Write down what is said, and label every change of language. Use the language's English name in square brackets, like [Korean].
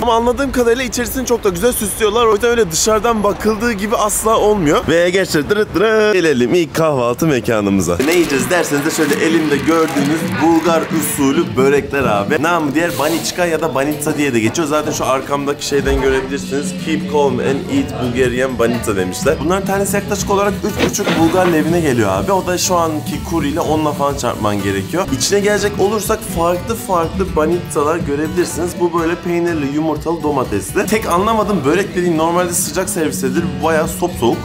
[Turkish] Ama anladığım kadarıyla içerisini çok da güzel süslüyorlar. O yüzden öyle dışarıdan bakıldığı gibi asla olmuyor. Ve gerçekten dırıt dırıt gelelim ilk kahvaltı mekanımıza. Ne yiyeceğiz derseniz de şöyle elimde gördüğünüz Bulgar usulü börekler abi. Namı diğer Banitska ya da Banitsa diye de geçiyor. Zaten şu arkamdaki şeyden görebilirsiniz. [English] Keep calm and eat Bulgarian Banitsa [Turkish] demişler. Bunların tanesi yaklaşık olarak 3,5 Bulgar levine geliyor abi. O da şu anki kur ile onunla falan çarpman gerekiyor. İçine gelecek olursak farklı farklı banitsalar görebilirsiniz. Bu böyle peynirli, yumurtalı, domatesli. Tek anlamadığım börek dediğin normalde sıcak servis edilir. Bayağı sopsoğuk.